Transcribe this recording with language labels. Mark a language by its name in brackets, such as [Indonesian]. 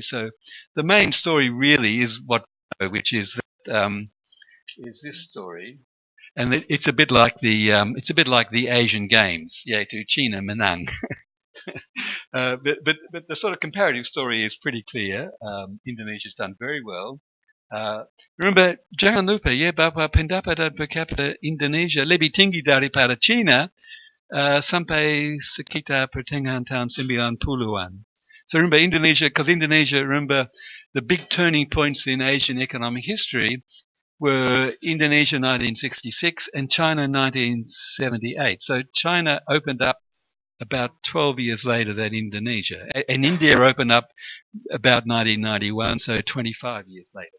[English] So the main story really is what, which is that, is this story. And it's a bit like the Asian Games, yeah, to China Menang. but the sort of comparative story is pretty clear. Indonesia's done very well. Remember, [Indonesian] jangan lupa, yeah, bahwa pendapatan per capita Indonesia lebih tinggi daripada China sampai sekitar pertengahan tahun 90-an. [English] So remember, Indonesia, the big turning points in Asian economic history were Indonesia 1966 and China 1978. So China opened up about 12 years later than Indonesia. And India opened up about 1991, so 25 years later.